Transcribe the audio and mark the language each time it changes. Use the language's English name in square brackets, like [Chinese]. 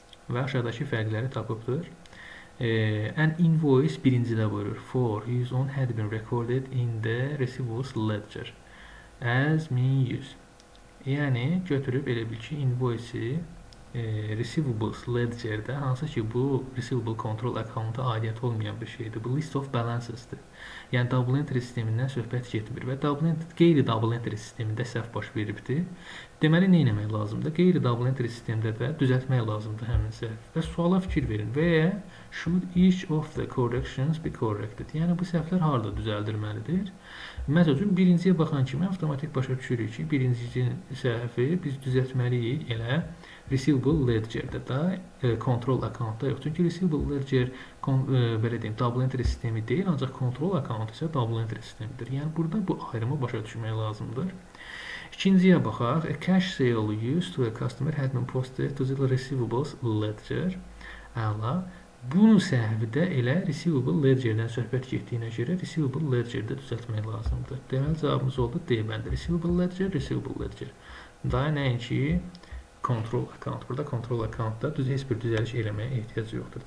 [Azerbaijani] Və aşağıdakı fərqləri tapıbdır. An invoice birinci də buyurur. [English] For 110 had been recorded in the receivables ledger as 1100. [Azerbaijani] Yəni, götürüb elə bil ki, invoice-i receivables ledger-də, hansı ki, bu receivable control account-a aidiyyət olmayan bir şeydir. Bu list of balances-dir. Yəni, double entry sistemindən söhbət getmir. Və qeyri-double entry sistemində səhv baş veribdir. Deməli, nə eləmək lazımdır? Qeyri-double entry sistemdə də düzəltmək lazımdır həmin səhv. Və suala fikir verin. Və [English] should each of the corrections be corrected? [Azerbaijani] Yəni, bu səhvlər harada düzəldirməlidir? Məsəl üçün, birinciyə baxan kimi avtomatik başa düşürük ki, birinci səhvi biz düzəltməliyik elə receivable ledger-də da control account-da yox. Çünki receivable ledger belə deyim, double entry sistemi deyil, ancaq control account isə double entry sistemidir. Yəni, burada bu ayrımı başa düşmək lazımdır. İkinciyə baxaq. [English] A cash sale used to a customer had been posted to the receivables ledger. [Azerbaijani] Əla. Bunu səhvdə elə receivable ledger-dən söhbət getdiyinə görə receivable ledger-də düzəltmək lazımdır. Deməli, cavabımız oldu D bəndi. Receivable ledger, receivable ledger. Daha nəinki control account. Burada control account-da heç bir düzəliş eləməyə ehtiyacı yoxdur.